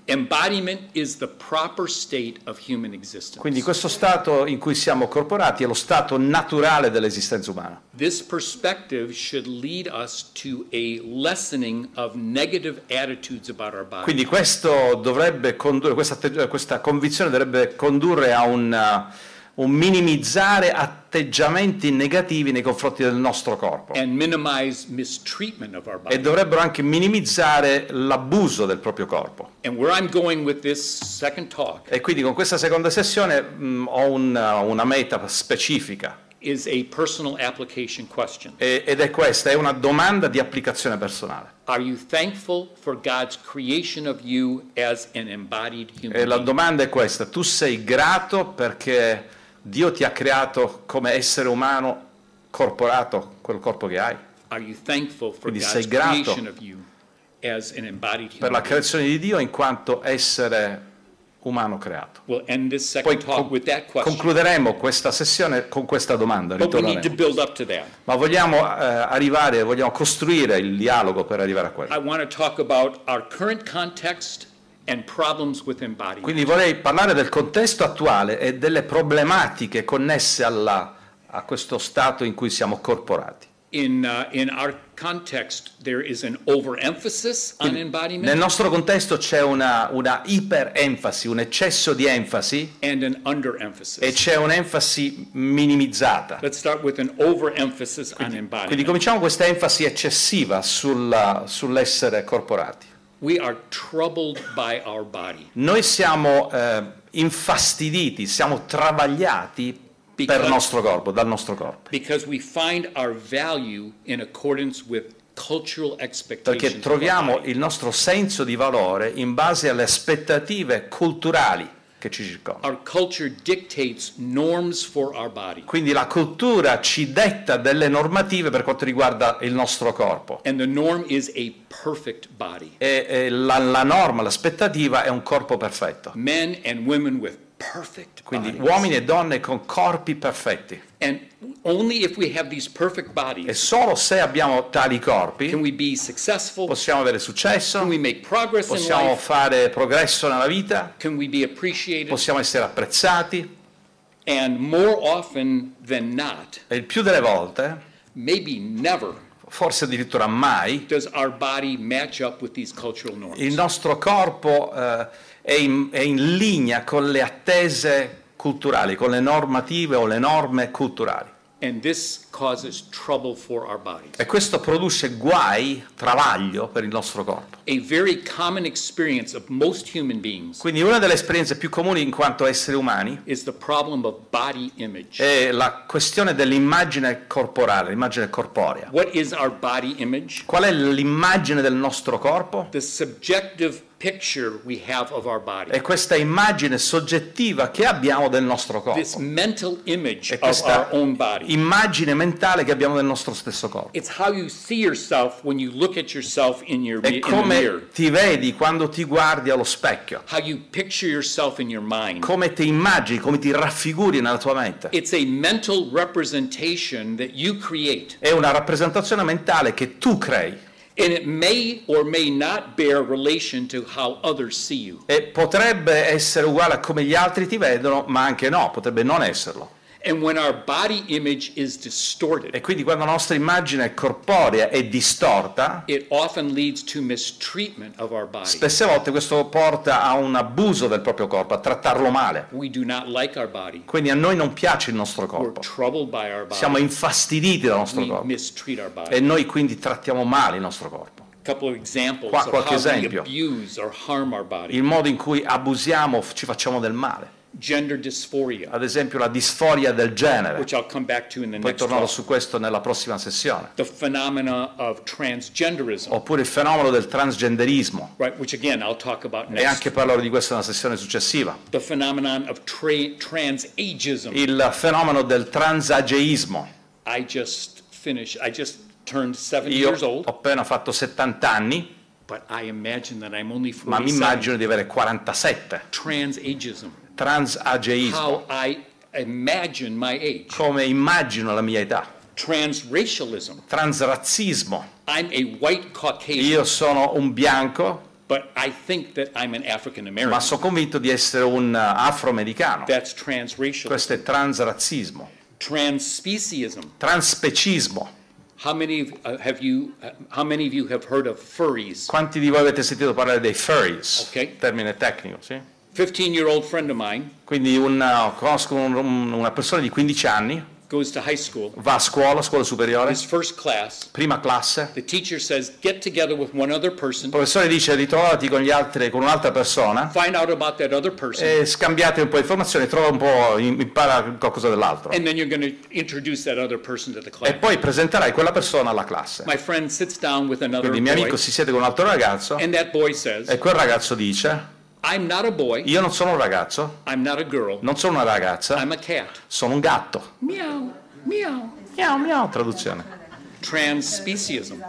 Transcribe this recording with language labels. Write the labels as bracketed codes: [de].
[en] Embodiment is the proper state of human existence. [it] Quindi questo stato in cui siamo corporati è lo stato naturale dell'esistenza umana. [en] This perspective should lead us to a lessening of negative attitudes about our body. [it] Quindi questo dovrebbe condurre questa convinzione dovrebbe condurre a un minimizzare atteggiamenti negativi nei confronti del nostro corpo. [en] And minimize mistreatment of our body. [it] E dovrebbero anche minimizzare l'abuso del proprio corpo. [en] And where I'm going with this second talk, [it] e quindi con questa seconda sessione ho una meta specifica. [en] is a personal application question. [it] Ed è questa, è una domanda di applicazione personale. [en] Are you thankful for God's creation of you as an embodied human? [it] E la domanda è questa: tu sei grato perché Dio ti ha creato come essere umano corporato, quel corpo che hai? [en] Are you thankful for God's creation of you as an embodied human? [it] Per la creazione di Dio in quanto essere umano creato. [en] We'll end this second Poi talk with that question. [it] Concluderemo questa sessione con questa domanda. [en] But we need to build up to that. [it] Ma vogliamo arrivare, vogliamo costruire il dialogo per arrivare a quello. [en] I want to talk about our current context and problems with embodiment. [it] Quindi vorrei parlare del contesto attuale e delle problematiche connesse alla, a questo stato in cui siamo corporati. [en] In our context there is an overemphasis on embodiment. [it] Nel nostro contesto c'è una iperenfasi, un eccesso di enfasi, [en] and an underemphasis. [it] E c'è un'enfasi minimizzata. [en] Let's start with an overemphasis on embodiment. [it] Quindi cominciamo questa enfasi eccessiva sull'essere corporati. [en] We are troubled by our body. [it] Noi siamo infastiditi, siamo travagliati per il nostro corpo, dal nostro corpo. [en] Because we find our value in accordance with cultural expectations. [it] Perché troviamo il nostro senso di valore in base alle aspettative culturali che ci circondano. [en] Our culture dictates norms for our body. [it] Quindi la cultura ci detta delle normative per quanto riguarda il nostro corpo. [en] And the norm is a perfect body. [it] E la norma, l'aspettativa è un corpo perfetto. [en] Men and women with perfect bodies. [it] Quindi uomini e donne con corpi perfetti. [en] And only if we have these perfect bodies, [it] e solo se abbiamo tali corpi, [en] can we be successful, [it] possiamo avere successo, [en] can we make progress, [it] possiamo [en] in life, [it] fare progresso nella vita, [en] can we be appreciated, [it] possiamo essere apprezzati. [en] And more often than not, [it] e il più delle volte, [en] maybe never, [it] forse addirittura mai, [en] does our body match up with these cultural norms. [it] Il nostro corpo è in linea con le attese culturali, con le normative o le norme culturali. [en] And this causes trouble for our bodies. [it] E questo produce guai, travaglio per il nostro corpo. [en] A very common experience of most human beings. [it] Quindi una delle esperienze più comuni in quanto esseri umani [en] is the problem of body image. [it] È la questione dell'immagine corporale, l'immagine corporea. [en] What is our body image? [it] Qual è l'immagine del nostro corpo? [en] The subjective picture we have of our body. [it] È questa immagine soggettiva che abbiamo del nostro corpo. [en] This mental image of our own body. [it] Immagine mentale che abbiamo del nostro stesso corpo. [en] It's how you see yourself when you look at yourself in your mirror. [it] È come ti vedi quando ti guardi allo specchio. [en] How you picture yourself in your mind. [it] Come ti immagini, come ti raffiguri nella tua mente. [en] It's a mental representation that you create. [it] È una rappresentazione mentale che tu crei. [en] And it may or may not bear relation to how others see you. [it] E potrebbe essere uguale a come gli altri ti vedono, ma anche no, potrebbe non esserlo. [en] And when our body image is distorted. [it] E quindi quando la nostra immagine corporea è distorta, [en] it often leads to mistreatment of our body. [it] Spesse volte questo porta a un abuso del proprio corpo, a trattarlo male. [en] We do not like our body. [it] Quindi a noi non piace il nostro corpo. [en] We're troubled by our body. [it] Siamo infastiditi dal nostro corpo. [en] We mistreat our body. [it] E noi quindi trattiamo male il nostro corpo. [en] Couple of examples of how we abuse or harm our body. [it] Il modo in cui abusiamo, ci facciamo del male. [en] Gender dysphoria. [it] Ad esempio la disforia del genere. [en] Which I'll come back to in the [it] next. Poi tornerò su questo nella prossima sessione. [en] The phenomena of transgenderism. [it] Oppure il fenomeno del transgenderismo. [en] Right, which again I'll talk about next. [it] E anche parlerò di questo nella sessione successiva. [en] The phenomenon of transageism. [it] Il fenomeno del transageismo. [en] I just turned 70 years old. [it] Ho appena fatto 70 anni. [en] But I imagine that I'm only 47. [it] Ma mi immagino di avere 47. [en] Transageism. [it] Transageismo. [en] How I imagine my age. [it] Come immagino la mia età. [en] Transracialism. [it] Transrazzismo. [en] I'm a white Caucasian. [it] Io sono un bianco. [en] But I think that I'm an African American. [it] Ma sono convinto di essere un afroamericano. [en] That's transracialism. [it] Questo è transrazzismo. [en] Transspeciesism. [it] Transspecismo. [en] How many of you have heard of furries? [it] Quanti di voi avete sentito parlare dei furries? [en] Okay. [it] Termine tecnico, sì. [en] 15-year-old friend of mine. [it] Quindi conosco una persona di 15 anni. [en] goes to high school. [it] Va a scuola, scuola superiore. [en] His first class. [it] Prima classe. [en] The teacher says, "Get together with one other person." [it] Il professore dice, ritrovati con gli altri, con un'altra persona. [en] Find out about that other person. [it] E scambiate un po' informazioni, trova un po', impara qualcosa dell'altro. [en] And then you're going to introduce that other person to the class. [it] E poi presenterai quella persona alla classe. [en] My friend sits down with another boy. [it] Quindi mio amico si siede con un altro ragazzo. [en] And that boy says. [it] E quel ragazzo dice. [en] I'm not a boy. [it] Io non sono un ragazzo. [en] I'm not a girl. [it] Non sono una ragazza. [en] I'm a cat. [it] Sono un gatto. Miau, miau, miau, miau. Traduzione. [en] Transspecism.